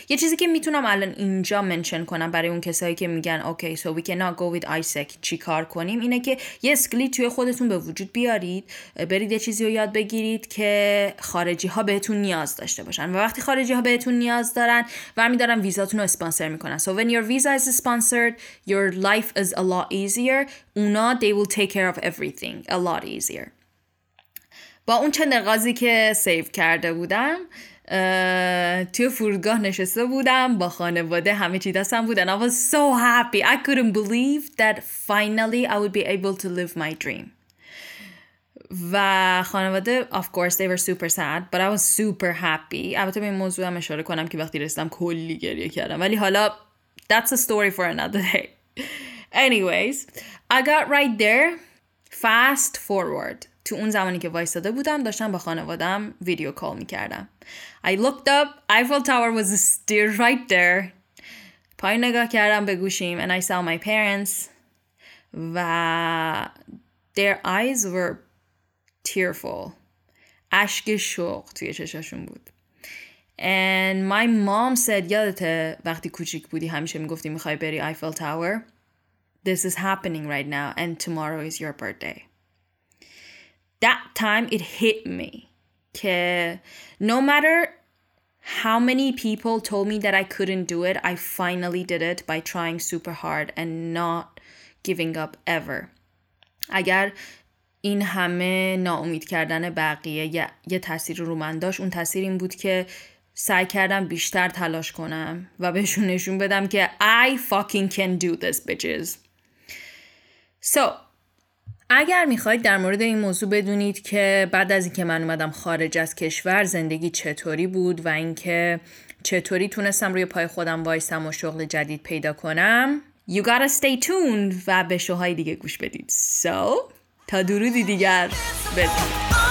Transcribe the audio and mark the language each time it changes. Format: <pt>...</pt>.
<fa>یه چیزی که میتونم الان اینجا منشن کنم برای اون کسایی که میگن</fa> <en>okay so we cannot go with</en> <fa>ISEC، چی کار کنیم، اینه که یه اسکلی توی خودتون به وجود بیارید، برید یه چیزی رو یاد بگیرید که خارجی ها بهتون نیاز داشته باشن. و وقتی خارجی ها بهتون نیاز دارن، برمیدارن ویزاتون رو اسپانسر میکنن.</fa> <en>So when your visa is sponsored, your life is a lot easier.</en> <fa>اونا</fa> <en>they will take care of everything a lot easier.</en> <fa>با اون چند قاضی که سیو کرده بودم، توی فرودگاه نشسته بودم با خانواده، همه چی دستم بود.</fa> <en>And I was so happy. I couldn't believe that finally I would be able to live my dream.</en> <fa>و خانواده</fa> <en>of course they were super sad but I was super happy.</en> <fa>البته به این موضوع هم اشاره کنم که وقتی رسیدم کلی گریه کردم، ولی حالا</fa> <en>that's a story for another day. Anyways, I got right there. Fast forward.</en> <fa>تو اون زمانی که وایستاده بودم داشتم با خانوادم ویدیو کال میکردم.</fa> <en>I looked up. Eiffel Tower was still right there.</en> <fa>پای نگاه کردم به گوشیم</fa> <en>and I saw my parents و their eyes were tearful.</en> <fa>عشق شوق توی چشاشون بود.</fa> <en>And my mom said,</en> <fa>یادته وقتی کوچیک بودی همیشه میگفتی میخوای بری Eiffel Tower?</fa> <en>This is happening right now and tomorrow is your birthday. That time it hit me. که no matter how many people told me that I couldn't do it, I finally did it by trying super hard and not giving up ever.</en> <fa>اگر این همه ناامید کردن بقیه یه تاثیر رو من داشت، اون تاثیر این بود که سعی کردم بیشتر تلاش کنم و بهشون نشون بدم که</fa> <en>I fucking can do this, bitches.</en> <fa>So, اگر میخواید در مورد این موضوع بدونید که بعد از اینکه من اومدم خارج از کشور زندگی چطوری بود و اینکه چطوری تونستم روی پای خودم وایستم و شغل جدید پیدا کنم،</fa> <en>You gotta stay tuned</en> <fa>و به شوهای دیگه گوش بدید. So, تا درودی دیگر بدونید.</fa>